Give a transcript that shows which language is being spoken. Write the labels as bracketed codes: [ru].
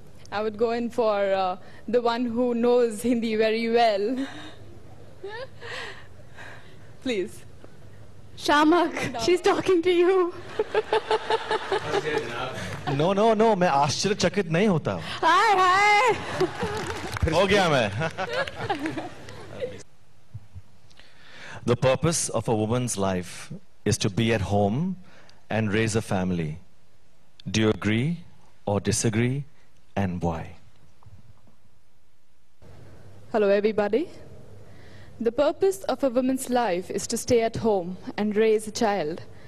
[en] I would go in for the one who knows Hindi very well. Please. Shamak, she's talking to you. [hi] No, मैं आश्चर्यचकित नहीं होता. [en] Hi, hi. [hi] हो गया मैं. [en] The purpose of a woman's life is to be at home and raise a family. Do you agree or disagree and why? Hello, everybody. The purpose of a woman's life is to stay at home and raise a child.